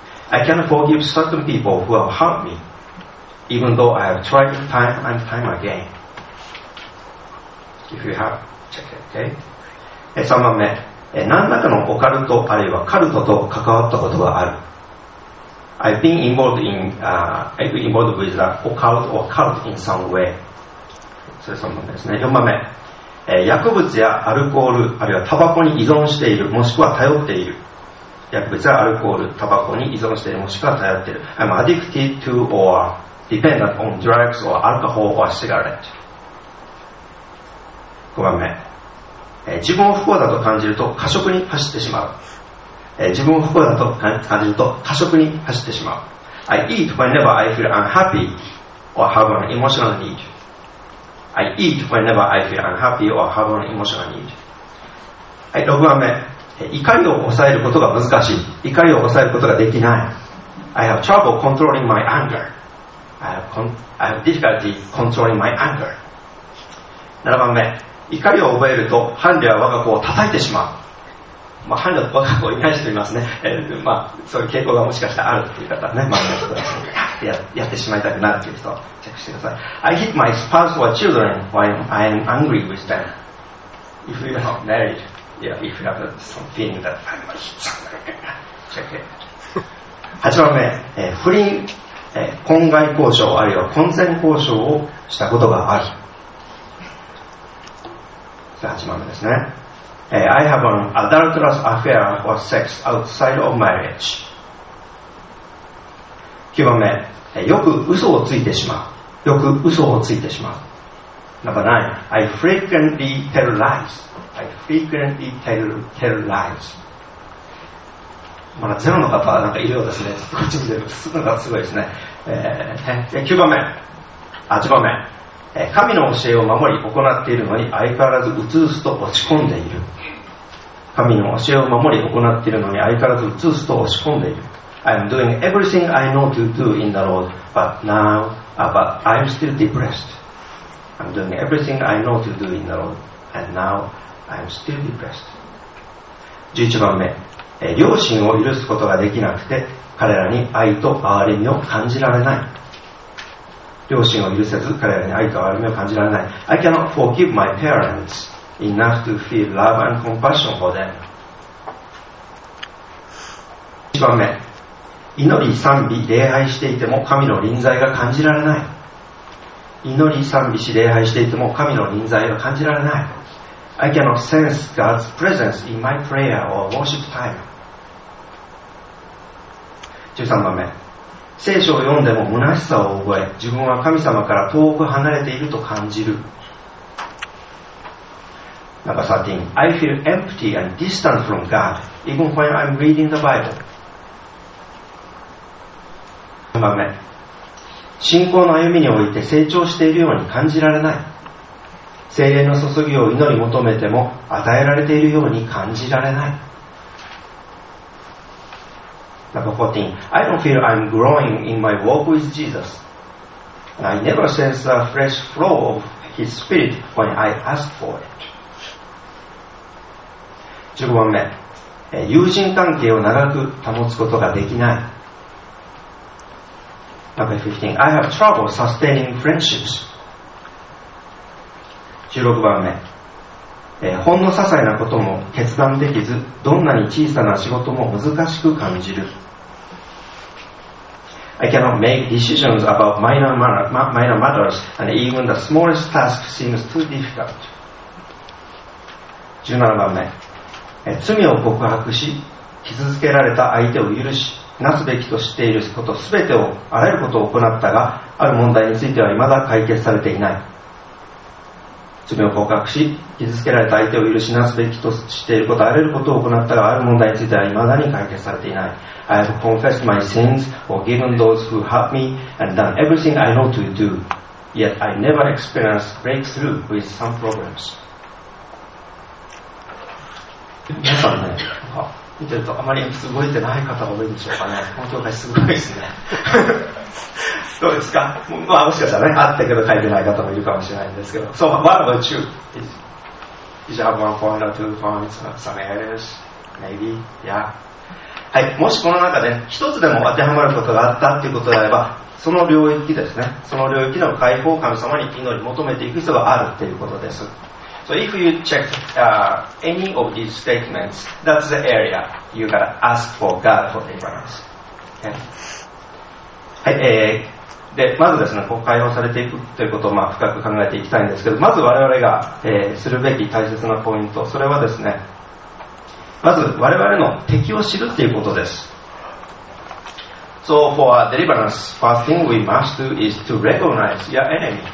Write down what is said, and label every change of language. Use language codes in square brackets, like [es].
[en] I can forgive certain people who have hurt me, even though I have tried time and time again. If you have, check it, okay? [ja] 3番目、何らかのオカルトあるいはカルトと関わったことがある。 [en] I've been involved in, involved with the occult or cult in some way. [ja] それ3番目ですね。 4番目、薬物やアルコール、あるいはタバコに依存している、もしくは頼っている。薬物やアルコール、タバコに依存している、もしくは頼っている。 [en] I'm addicted to or dependent on drugs or alcohol or cigarette. [ja] 5番目、自分を不幸だと感じると過食に走ってしまう。自分を不幸だと感じると過食に走ってしまう。 [en] I eat whenever I feel unhappy or have an emotional need. I eat whenever I feel unhappy or have an emotional need. [ja] はい、6番目、怒りを抑えることが難しい。怒りを抑えることができない。 [en] I have trouble controlling my anger. I have difficulty controlling my anger. [ja] 7番目、怒りを覚えると伴侶は我が子を叩いてしまう。まあ、伴侶と我が子をイメージしていますね。まあ、そういう傾向がもしかしたらあるという方はね、まあ、ちょっとやってしまいたくなるという人はチェックしてください。 [en] I hit my spouse or children when I am angry with them. If you are married, yeah, if you have some feeling that I'm hit somebody, check it. [ja] 8番目、不倫、婚外交渉、あるいは婚前交渉をしたことがある。 8番目ですね。 [en] I have an adulterous affair or sex outside of marriage. [ja] 9番目、よく嘘をついてしまう。よく嘘をついてしまう。 [en] Number 9, I frequently tell lies. I frequently tell lies. [ja] まだゼロの方はなんかいるようですね。こっち見てるのがすごいですね。 9番目、8番目、神の教えを守り行っているのに相変わらずうつうつと落ち込んでいる。神の教えを守り行っているのに相変わらずうつうつと落ち込んでいる。 [en] I'm doing everything I know to do in the Lord, but I'm still depressed. I'm doing everything I know to do in the Lord, and now I'm still depressed. [ja] 11番目、両親を許すことができなくて彼らに愛と憐れみを感じられない。両親を許せず彼らに愛と憐れみを感じられない。 [en] I cannot forgive my parents enough to feel love and compassion for them. [ja] 1番目、祈り賛美礼拝していても神の臨在が感じられない。祈り賛美し礼拝していても神の臨在が感じられない。 [en] I cannot sense God's presence in my prayer or worship time。 [ja] 13番目、聖書を読んでも虚しさを覚え、自分は神様から遠く離れていると感じる。 [en] Number 13, I feel empty and distant from God even when I'm reading the Bible。 [ja] 4番目、信仰の歩みにおいて成長しているように感じられない。聖霊の注ぎを祈り求めても与えられているように感じられない。 [en] Number 14, I don't feel I'm growing in my walk with Jesus. I never sense a fresh flow of His Spirit when I ask for it. [ja] 15番目、友人関係を長く保つことができない。 [en] Number 15, I have trouble sustaining friendships. [ja] 16番目、ほんの些細なことも決断できず、どんなに小さな仕事も難しく感じる。 [en] I cannot make decisions about minor matters, and even the smallest task seems too difficult. [ja] 17番目、罪を告白し、傷つけられた相手を許し、なすべきと知っていることすべてを、あらゆることを行ったが、ある問題についてはいまだ解決されていない。罪を告白し、傷つけられた相手を許し、なすべきと知っていること、あらゆることを行ったが、ある問題についてはいまだに解決されていない。 [en] I have confessed my sins or given those who hurt me and done everything I know to do, yet I never experienced breakthrough with some problems. [ja] 皆さんね、見てるとあまり覚えてない方が多いんでしょうかね。この教会すごいですね。どうですか、まあ、もしかしたらね、あったけど書いてない方もいるかもしれないんですけど。 [en] So, what about you? Did you have one point or two points? Some areas? Maybe? Yeah. [ja] はい。もしこの中で一つでも当てはまることがあったっていうことであれば、その領域ですね。その領域の解放を神様に祈り求めていく人があるっていうことです。 [en] So if you check any of these statements, that's the area you gotta ask for God for deliverance. Okay? [ja] はい、で、まずですね、こう解放されていくということを、まあ、深く考えていきたいんですけど、まず我々が、するべき大切なポイント、それはですね、まず我々の敵を知るということです。 [en] So for deliverance, first thing we must do is to recognize your enemy.